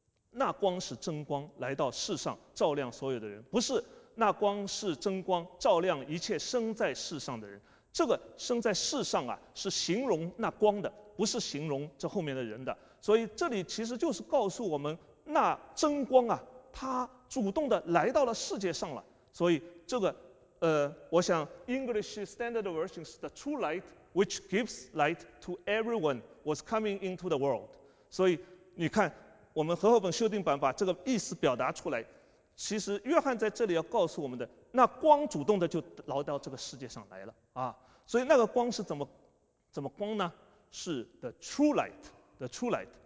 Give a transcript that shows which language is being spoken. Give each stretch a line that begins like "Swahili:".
Chinese: 那光是真光，来到世上照亮所有的人，不是那光是真光，照亮一切生在世上的人。这个生在世上啊，是形容那光的，不是形容这后面的人的。所以这里其实就是告诉我们，那真光啊，他主动的来到了世界上了。所以这个我想
English: English Standard Version is the true light which gives light to everyone was coming into the world。
Chinese: 所以你看我们和合本修订版把这个意思表达出来，其实约翰在这里要告诉我们的，那光主动的就来到这个世界上来了啊。所以那个光是怎么光呢？是
English: the true light。